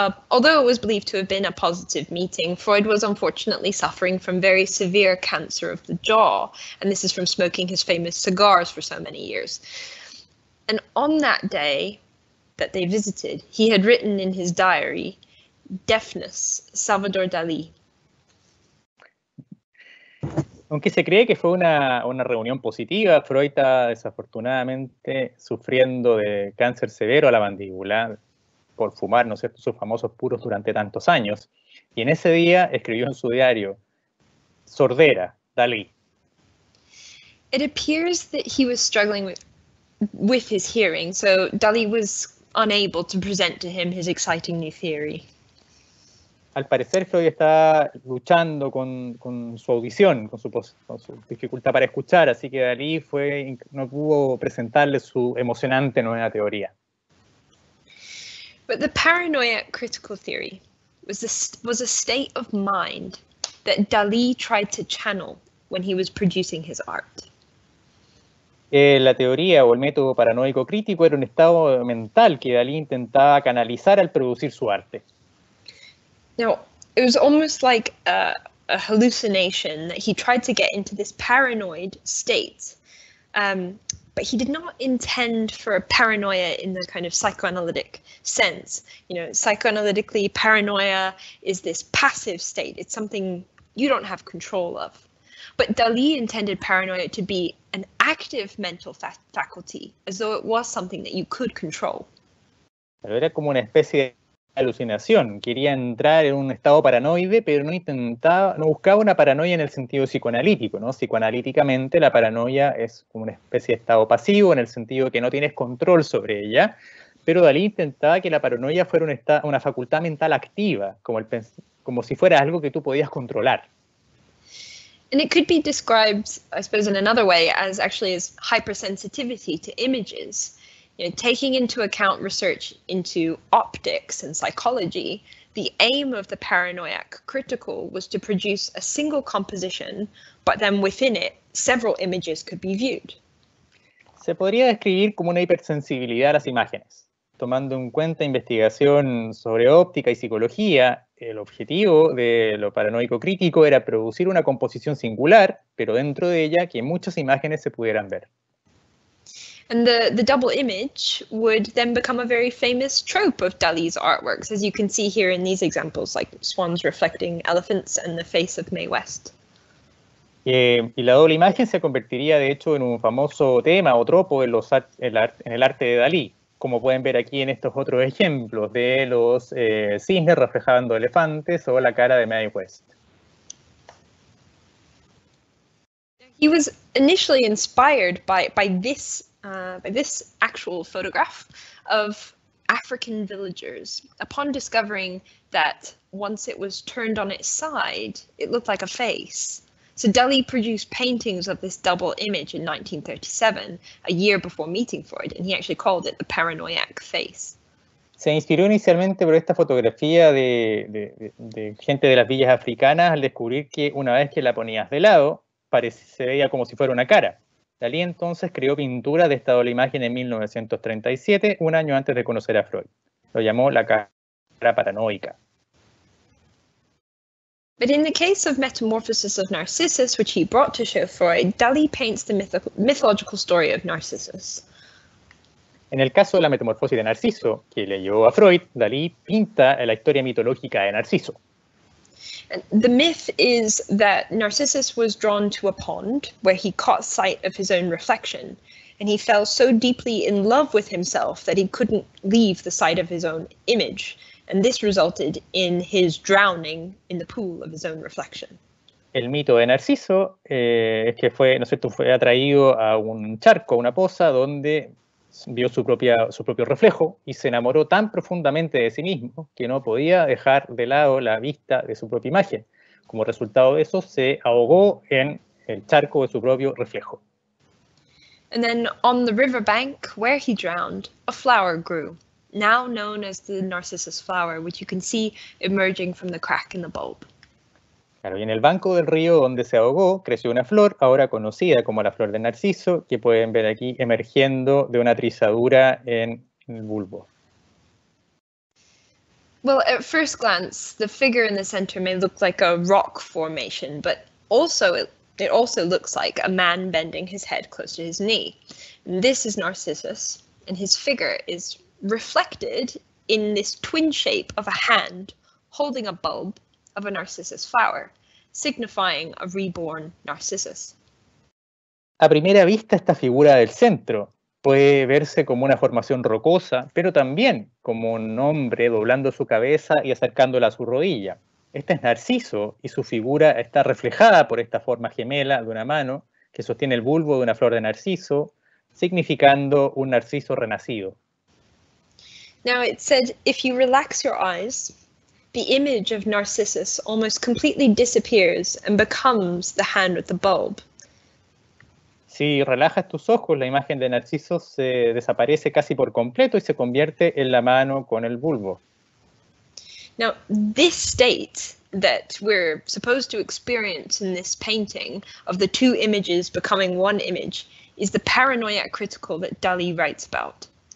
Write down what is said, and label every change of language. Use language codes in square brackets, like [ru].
[en] Although it was believed to have been a positive meeting, Freud was unfortunately suffering from very severe cancer of the jaw, and this is from smoking his famous cigars for so many years. And on that day that they visited, he had written in his diary, "Deafness, Salvador Dalí." [es] Aunque se cree que fue una reunión positiva, Freud está desafortunadamente sufriendo de cáncer severo a la mandíbula por fumar, ¿no es cierto?, sus famosos puros durante tantos años. Y en ese día escribió en su diario, "Sordera, Dalí." [en] It appears that he was struggling with his hearing. So Dalí was unable to present to him his exciting new theory. [es] Al parecer, Freud está luchando con su audición, con su dificultad para escuchar, así que Dalí fue, no pudo presentarle su emocionante nueva teoría. [en] But the paranoia critical theory was a state of mind that Dalí tried to channel when he was producing his art. [es] La teoría o el método paranoico crítico era un estado mental que Dalí intentaba canalizar al producir su arte. [en] Now, it was almost like a hallucination that he tried to get into this paranoid state. But he did not intend for a paranoia in the kind of psychoanalytic sense. You know, psychoanalytically, paranoia is this passive state. It's something you don't have control of. But Dalí intended paranoia to be an active mental faculty, as though it was something that you could control. [es] Pero era como una especie de alucinación. Quería entrar en un estado paranoide, pero no intentaba, no buscaba una paranoia en el sentido psicoanalítico, ¿no? Psicoanalíticamente, la paranoia es como una especie de estado pasivo, en el sentido que no tienes control sobre ella, pero Dalí intentaba que la paranoia fuera una facultad mental activa, como si fuera algo que tú podías controlar. [en] And it could be described, I suppose, in another way, as actually as hypersensitivity to images. You know, taking into account research into optics and psychology, the aim of the paranoiac critical was to produce a single composition, but then within it, several images could be viewed. [es] Se podría describir como una hipersensibilidad a las imágenes. Tomando en cuenta investigación sobre óptica y psicología, el objetivo de lo paranoico crítico era producir una composición singular, pero dentro de ella que muchas imágenes se pudieran ver. [en] And the double image would then become a very famous trope of Dalí's artworks, as you can see here in these examples, like swans reflecting elephants and the face of Mae West. [es] Y la doble imagen se convertiría, de hecho, en un famoso tema o tropo en el arte de Dalí, como pueden ver aquí en estos otros ejemplos de los cisnes reflejando elefantes o la cara de Mae West. [en] He was initially inspired by this actual photograph of African villagers upon discovering that once it was turned on its side, it looked like a face. So Dalí produced paintings of this double image in 1937, a year before meeting Freud, and he actually called it the paranoiac face. [es] Se inspiró inicialmente por esta fotografía de gente de las villas africanas al descubrir que una vez que la ponías de lado, se veía como si fuera una cara. Dalí entonces creó pintura de esta doble imagen en 1937, un año antes de conocer a Freud. Lo llamó la cara paranoica. [en] But in the case of Metamorphosis of Narcissus, which he brought to show Freud, Dalí paints the mythological story of Narcissus. [es] En el caso de la Metamorfosis de Narciso, que le llevó a Freud, Dalí pinta la historia mitológica de Narciso. [en] The myth is that Narcissus was drawn to a pond where he caught sight of his own reflection, and he fell so deeply in love with himself that he couldn't leave the sight of his own image, and this resulted in his drowning in the pool of his own reflection. [es] El mito de Narciso es que fue, no sé, fue atraído a un charco, una poza, donde vio su propio reflejo y se enamoró tan profundamente de sí mismo que no podía dejar de lado la vista de su propia imagen. Como resultado de eso, se ahogó en el charco de su propio reflejo. [en] And then on the riverbank where he drowned, a flower grew, now known as the Narcissus flower, which you can see emerging from the crack in the bulb. [es] Claro, y en el banco del río donde se ahogó creció una flor, ahora conocida como la flor de Narciso, que pueden ver aquí emergiendo de una trizadura en el bulbo. [en] Well, at first glance, the figure in the center may look like a rock formation, but also it also looks like a man bending his head close to his knee. And this is Narcissus, and his figure is reflected in this twin shape of a hand holding a bulb of a Narcissus flower, signifying a reborn Narcissus. [es] A primera vista, esta figura del centro puede verse como una formación rocosa, pero también como un hombre doblando su cabeza y acercándola a su rodilla. Este es Narciso y su figura está reflejada por esta forma gemela de una mano que sostiene el bulbo de una flor de Narciso, significando un Narciso renacido. [en] Now it said, if you relax your eyes, the image of Narcissus almost completely disappears and becomes the hand with the bulb. [es] Si relajas tus ojos, la imagen de Narciso se desaparece casi por completo y se convierte en la mano con el bulbo. [en] Now, this state that we're supposed to experience in this painting of the two images becoming one image is the paranoia critical that Dalí writes about.